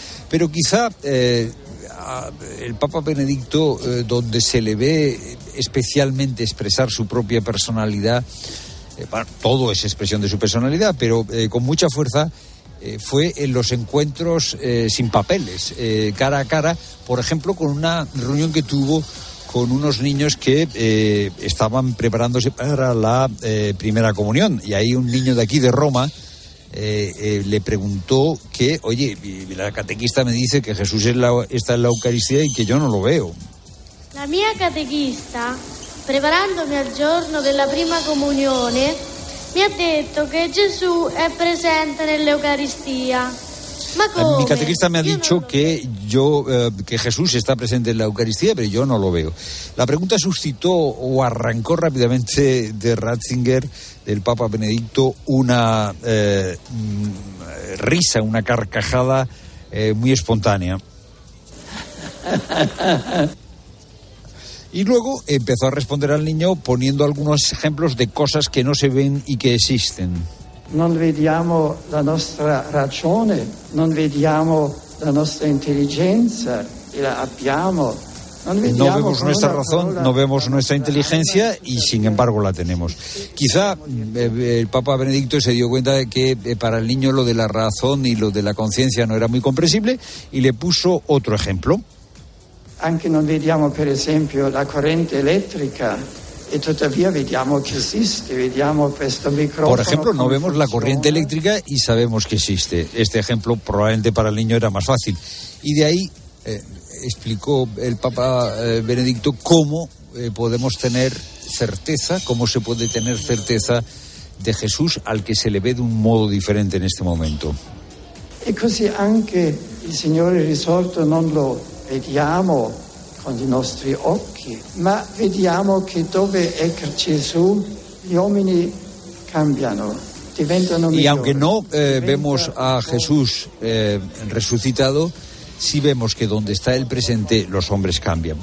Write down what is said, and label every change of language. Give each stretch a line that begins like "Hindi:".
Spanish: Pero quizá el Papa Benedicto, donde se le ve especialmente expresar su propia personalidad, bueno, todo es expresión de su personalidad, pero con mucha fuerza, fue en los encuentros sin papeles, cara a cara, por ejemplo, con una reunión que tuvo con unos niños que estaban preparándose para la primera comunión. Y ahí un niño de aquí, de Roma, le preguntó que, oye, la catequista me dice que Jesús está en la Eucaristía y que yo no lo veo.
Italian: La mia catequista, preparandomi al giorno della prima comunione, mi ha detto che Gesù è presente nell'Eucaristia. Ma come?
Spanish: Mi catequista me ha dicho que yo que Jesús está presente en la Eucaristía, pero yo no lo veo. La pregunta suscitó o arrancó rápidamente de Ratzinger, del Papa Benedicto, una risa, una carcajada muy espontánea. Y luego empezó a responder al niño poniendo algunos ejemplos de cosas que no se ven y que existen.
Italian: Non vediamo la nostra ragione, non vediamo la nostra intelligenza, e la abbiamo.
Spanish: No vemos nuestra razón, no vemos nuestra inteligencia y sin embargo la tenemos. Quizá el Papa Benedicto se dio cuenta de que para el niño lo de la razón y lo de la conciencia no era muy comprensible y le puso otro ejemplo.
Italian: Anche non vediamo, per esempio, la corrente elettrica. E tuttavia vediamo che esiste, vediamo questo microfono.
Spanish: Por ejemplo, no vemos la corriente eléctrica y sabemos que existe. Este ejemplo probablemente para el niño era más fácil. Y de ahí explicó el Papa Benedicto cómo podemos tener certeza, cómo se puede tener certeza de Jesús al que se le ve de un modo diferente en este momento.
Italian: E così anche il Signore risorto non lo vediamo con i nostri occhi, ma vediamo che dove è Gesù gli uomini cambiano, diventano migliori.
Spanish: Y aunque no vemos a Jesús resucitado, sí vemos que donde está él presente los hombres cambian.